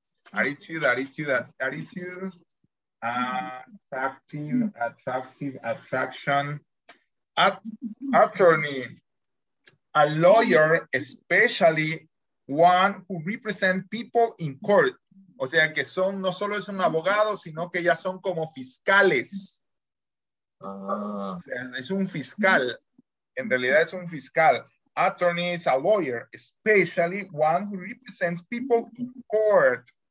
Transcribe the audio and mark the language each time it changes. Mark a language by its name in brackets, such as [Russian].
[English] Attitude, attractive, attraction, attorney, a lawyer, especially one who represents people in court. [Spanish] O sea, que son, no solo es un abogado, sino que ya son como fiscales. Es un fiscal. En realidad es un fiscal. [English] Attorney is a lawyer, especially one who represents people in court.